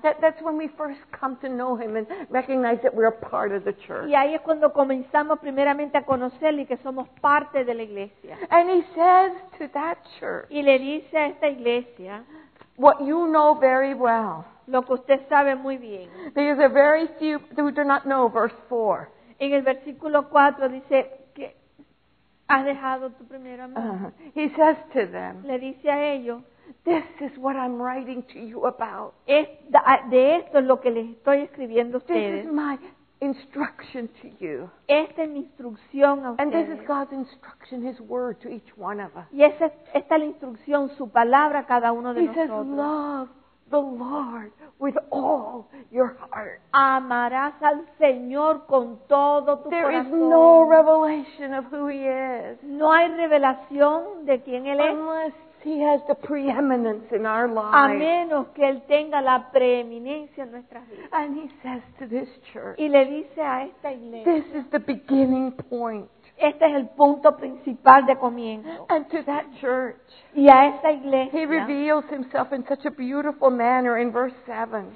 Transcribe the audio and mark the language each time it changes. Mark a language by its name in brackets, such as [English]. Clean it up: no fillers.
[English] That's when we first come to know him and recognize that we're a part of the church. [Spanish] Y ahí es cuando comenzamos primeramente a conocerle y que somos parte de la iglesia. [English] And he says to that church. [Spanish] Y le dice a esta iglesia. [English] What you know very well. [Spanish] Lo que usted sabe muy bien. [English] Because there are very few who do not know verse 4. [Spanish] En el versículo 4 dice que has dejado tu primer amor. [English] He says to them. [Spanish] Le dice a ellos. [English] This is what I'm writing to you about. [Spanish] De esto es lo que les estoy escribiendo a ustedes. [English] This is my instruction to you. [Spanish] Esta es mi instrucción a ustedes. [English] And this is God's instruction, His word to each one of us. [Spanish] Y esta es la instrucción, su palabra a cada uno de [English] he [Spanish] nosotros. [English] He says, love the Lord with all your heart. [Spanish] Amarás al Señor con todo tu [English] there [Spanish] corazón. [English] There is no revelation of who He is. [Spanish] No hay revelación de quién Él es. [English] Unless He has the preeminence in our lives. [Spanish] A menos que Él tenga la preeminencia en nuestras vidas. [English] And He says to this church, [Spanish] y le dice a esta iglesia, [English] this is the beginning point. [Spanish] Este es el punto principal de comienzo. [English] And to that church, [Spanish] y a esta iglesia, [English] He reveals Himself in such a beautiful manner in verse 7.